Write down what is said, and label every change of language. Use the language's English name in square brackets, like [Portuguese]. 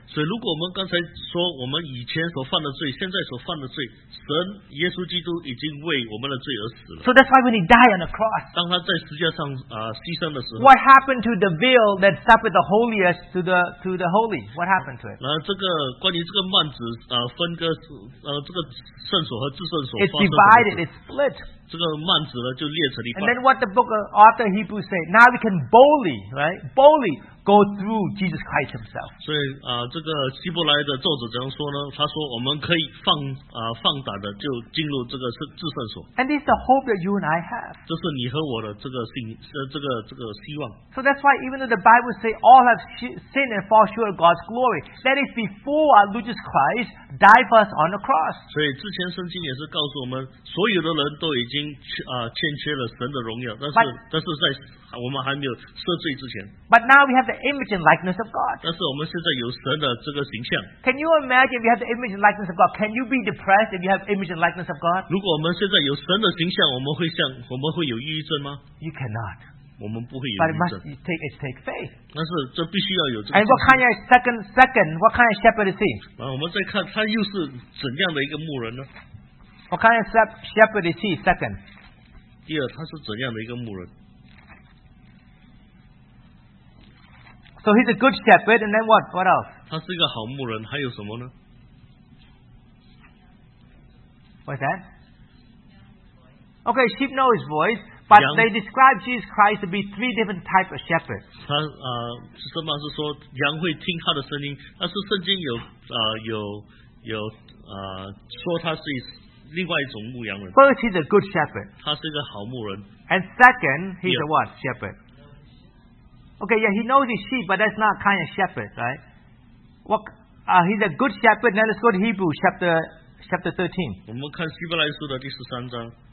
[Chinese] 所以如果我们刚才说我们以前所犯的罪现在所犯的罪神耶稣基督已经为我们的罪而死了 [English] So that's why when he died on the cross [Chinese] 当他在十字架上牺牲的时候 [English] What happened to the veil That separated the holiest to the holy What happened to it [Chinese] 然后这个关于这个幔子分割这个圣所和至圣所 [English] It's divided It's split [Chinese] 这个幔子呢就裂成一半 [English] And then what the book of author Hebrews say Now we can boldly Right Boldly Go through Jesus Christ himself [Chinese] 所以这个希伯来的作者怎样说呢他说我们可以放胆的就进入这个至圣所 [English] And this is the hope that you and I have [Chinese] 这是你和我的这个希望 [English] So that's why even though the Bible say All have sinned and fall short of God's glory That is before our Lord Jesus Christ Died for us on the cross [Chinese] 所以之前圣经也是告诉我们所有的人都已经欠缺了神的荣耀但是在我们还没有赦罪之前 [English] But now we have the image and likeness of God [Chinese] 但是我们现在有神的这个形象 [English] Can you imagine if you have the image and likeness of God Can you be depressed if you have image and likeness of God [Chinese] 如果我们现在有神的形象我们会有抑郁症吗 [English] You cannot [Chinese] 我们不会有抑郁症 [English] But it must take faith [Chinese] 但是这必须要有这个 [English] And what kind of second What kind of shepherd is he [Chinese] 我们再看他又是怎样的一个牧人呢 [English] What kind of shepherd is he second [Chinese] 第二他是怎样的一个牧人 [English] So he's a good shepherd, and then what? What else? [Chinese] 他是一个好牧人，还有什么呢？ [English] What's that? Okay, sheep know his voice, but But they describe Jesus Christ to be three different types of shepherds. [Chinese] 他是说 羊会听他的声音, 但是圣经有说他是另外一种牧羊人。 [English] First, he's a good shepherd. [Chinese] 他是一个好牧人。 [English] And second, he's a what? Shepherd. Okay, yeah, he knows his sheep, but that's not kind of shepherd, right? He's a good shepherd. Now let's go to Hebrews chapter 13. [Chinese] 我们看希伯来书的第13章。